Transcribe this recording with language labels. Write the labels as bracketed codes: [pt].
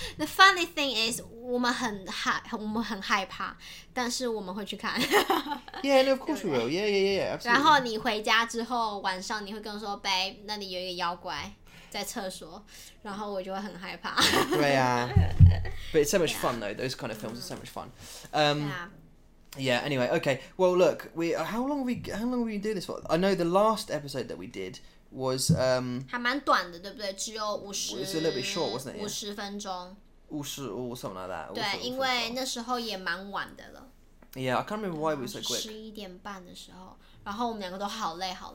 [en] The funny thing is, [zh] 我们很害怕，但是我们会去看。 [en] Yeah, no, of course we will. Yeah, absolutely. [zh] 然后你回家之后，晚上你会跟我说， Babe, 那里有一个妖怪在厕所，然后我就会很害怕。对啊。 [en] But it's so much fun, though. Those kind of films are so much fun. Yeah, anyway, okay. Well, look, how long have we been doing this for? I know the last episode that we did was [zh] 还蛮短的，对不对？只有五十。 [en] It's a little bit short, wasn't it? [zh] 五十分钟。 [en] something like that. [zh] 对，因为那时候也蛮晚的了。 [en] Yeah, I can't remember why we were so quick. [zh] 11点半的时候，然后我们两个都好累。